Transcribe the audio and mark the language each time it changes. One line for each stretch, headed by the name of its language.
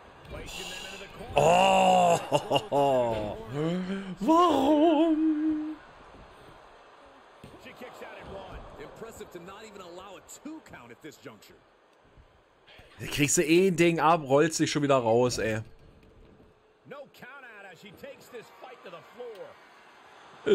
English: Placing them into the corner.
German: Oh, warum?
English: She kicks out at one. Impressive to not even allow a two count at this juncture.
German: Kriegst du eh ein Ding ab, rollt sich schon wieder raus, ey.
English: No count out as she takes this fight to the floor.